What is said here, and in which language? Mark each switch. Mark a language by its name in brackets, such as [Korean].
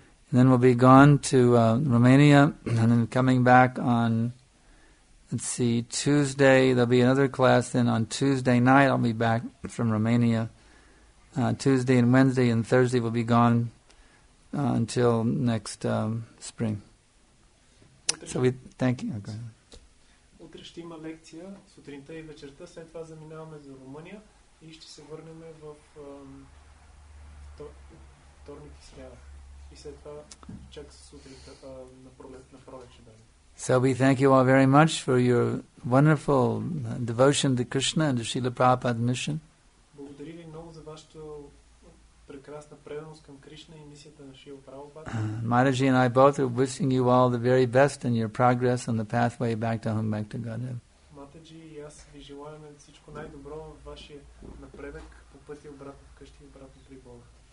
[English] And then we'll be gone to Romania and then coming back on. Let's see, Tuesday, there'll be another class, then on Tuesday night I'll be back from Romania. Tuesday and Wednesday and Thursday we'll be gone until next spring. So we thank you. Okay. [Bulgarian] Утре ще има лекция, сутринта и вечерта, след това заминаваме за Румъния и ще се върнем в вторник и сряда. И след това чак сутринта на пролечна дата. [English] So we thank you all very much for your wonderful devotion to Krishna and to Srila Prabhupada's mission. [Bulgarian] Благодаря ви много за вашата прекрасна преданост към Кришна и мисията на Шрила Прабхупада. [English] Mataji and I both are wishing you all the very best in your progress on the pathway back to home, back to Godhead. [Bulgarian] Mataji и аз ви желаем всичко най-добро в вашия напредък по пътя обратно вкъщи и обратно при Бога.